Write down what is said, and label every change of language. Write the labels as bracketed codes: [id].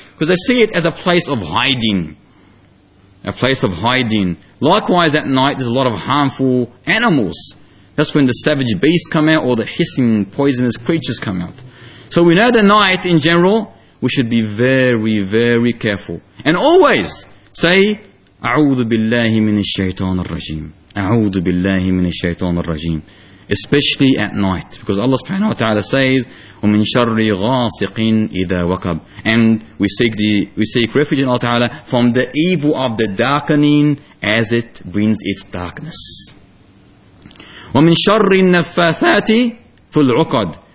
[en] Because they see it as a place of hiding. A place of hiding. Likewise, at night, there's a lot of harmful animals. That's when the savage beasts come out, or the hissing, poisonous creatures come out. So we know the night, in general, we should be very, very careful. And always say, [ar] أعوذ بالله من الشيطان الرجيم. أعوذ بالله من الشيطان الرجيم. [en] Especially at night. Because Allah subhanahu wa ta'ala says, [ar] وَمِن شَرِّ غَاسِقٍ إِذَا وَكَبْ. [en] And we seek refuge in Allah ta'ala from the evil of the darkening as it brings its darkness. [ar] وَمِن شَرِّ النَّفَّاثَاتِ فِي الْعُقَدْ.